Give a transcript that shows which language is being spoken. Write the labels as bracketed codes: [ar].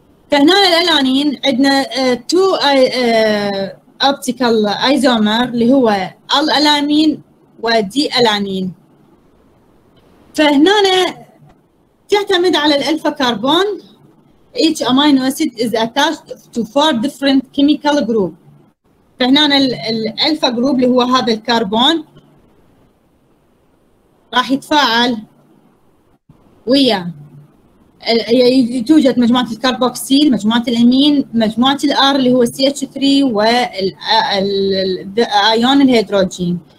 [ar] فهنا الألانين عندنا [en] two optical isomer [ar] اللي هو الألانين ودي ألانين. فهنا تعتمد على الألفا كربون. [en] Each amino acid is attached to four different chemical group. [ar] فهنا الألفا جروب اللي هو هذا الكربون راح يتفاعل ويا توجد مجموعة الكربوكسيل، مجموعة الأمين، مجموعة الآر اللي هو CH3 والآيون الهيدروجين.